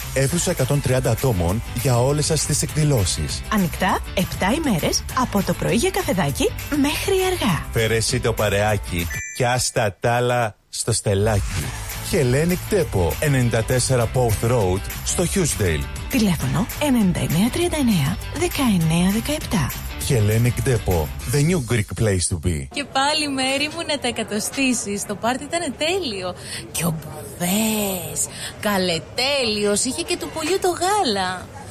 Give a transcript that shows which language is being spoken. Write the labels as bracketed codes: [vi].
[el] Αίθουσα 130 ατόμων για όλες σας τις εκδηλώσεις. Ανοιχτά 7 ημέρες από το πρωί για καφεδάκι μέχρι αργά. Φέρε εσύ το παρεάκι και άστα τ' άλλα στο στελάκι. Hellenic Depot, 94 Pouth Road, στο Χιούσντελ. Τηλέφωνο 9939-1917. [en] Hellenic Depot, the new Greek place to be. [el] Και πάλι μέρη μου να τα εκατοστήσεις, το πάρτι ήταν τέλειο. Και ο Μπουδές, καλέ τέλειος, είχε και του πουλιού το γάλα.